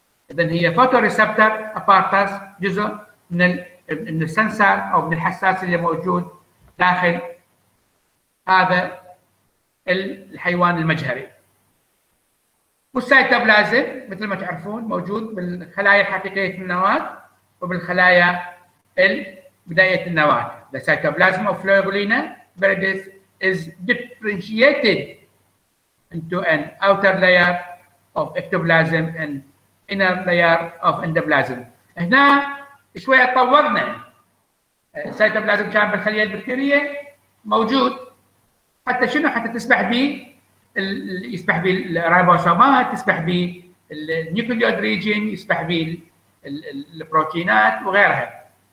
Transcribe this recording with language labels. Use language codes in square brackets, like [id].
[ar] إذن هي فوتوريسبتر أبارتاس جزء من السنسر أو من الحساس اللي موجود داخل هذا الحيوان المجهري. والسيتوبلازم مثل ما تعرفون موجود بالخلايا الحقيقية في النواة وبالخلايا بداية النواة. [en] The cytoplasm of Loeblina viridis is differentiated into an outer layer of ectoplasm and inner layer of endoplasm. [ar] هنا شوية طورنا. السيتوبلازم كان بالخلية البكتيرية موجود. حتى شنو؟ حتى تسبح به يسبح به الريبوسومات، تسبح به النيوكليود ريجين، يسبح به البروتينات وغيرها.